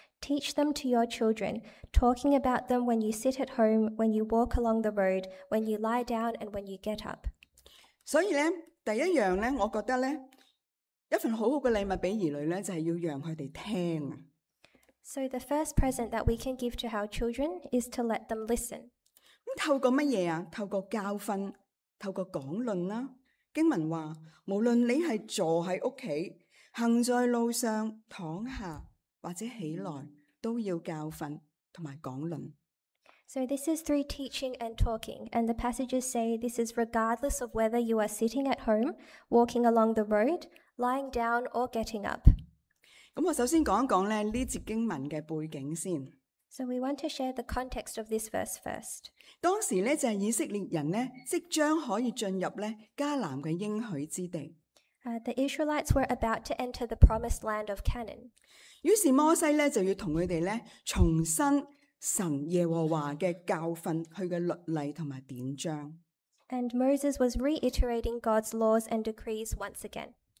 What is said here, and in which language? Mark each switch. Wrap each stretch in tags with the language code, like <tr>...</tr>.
<en>Teach them to your children, talking about them when you sit at home, when you walk along the road, when you lie down, and when you get up.</en> <yue>So, 第一样咧，我觉得咧，一份好好嘅礼物俾儿女咧，就系要让佢哋听啊。</yue> <en>So the first present that we can give to our children is to let them listen.</en> <yue>咁透过乜嘢啊？透过教训，透过讲论啦。经文话，无论你系坐喺屋企、行在路上、躺下或者起来，都要教训同埋讲论。</yue> <en>So this is through teaching and talking, and the passages say this is regardless of whether you are sitting at home, walking along the road, lying down or getting up.</en> <yue>咁我首先讲一讲咧呢节经文嘅背景先。</yue> <en>So we want to share the context of this verse first.</en> <yue>当时咧就系以色列人咧即将可以进入咧迦南嘅应许之地。</yue> <en>The Israelites were about to enter the promised land of Canaan.</en> <yue>于是摩西咧就要同佢哋咧重新。神耶和华嘅教训，佢嘅律例同埋典章。</yue> <en>And Moses was reiterating God's laws and decrees once again.</en>